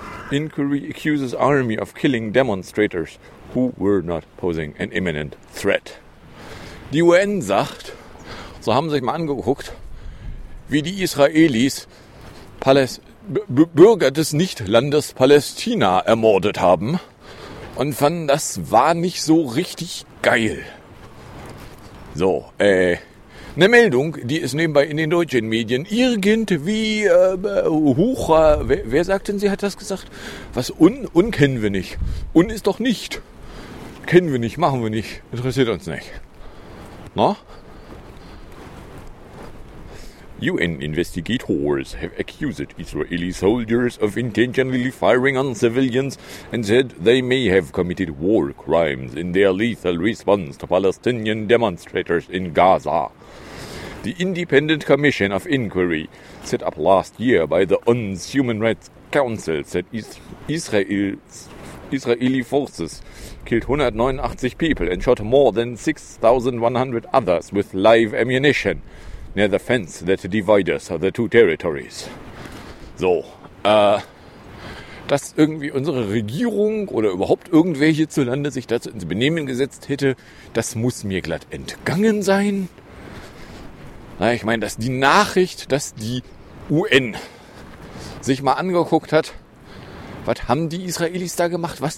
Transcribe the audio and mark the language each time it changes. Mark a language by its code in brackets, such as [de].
[en] Inquiry accuses army of killing demonstrators who were not posing an imminent threat. [de] Die UN sagt, so haben sie sich mal angeguckt, wie die Israelis Bürger des Nichtlandes Palästina ermordet haben. Und fanden, das war nicht so richtig geil. So, eine Meldung, die ist nebenbei in den deutschen Medien irgendwie, wer sagt denn, sie hat das gesagt? Was, un kennen wir nicht. Un ist doch nicht. Kennen wir nicht, machen wir nicht, interessiert uns nicht. Na? [en] UN investigators have accused Israeli soldiers of intentionally firing on civilians and said they may have committed war crimes in their lethal response to Palestinian demonstrators in Gaza. The Independent Commission of Inquiry, set up last year by the UN's Human Rights Council, said Israeli forces killed 189 people and shot more than 6,100 others with live ammunition near the fence that divides the two territories. So, [de] dass irgendwie unsere Regierung oder überhaupt irgendwelche zu Lande sich dazu ins Benehmen gesetzt hätte. Das muss mir glatt entgangen sein. Na, ich meine, dass die Nachricht, dass die UN sich mal angeguckt hat, was haben die Israelis da gemacht? Was?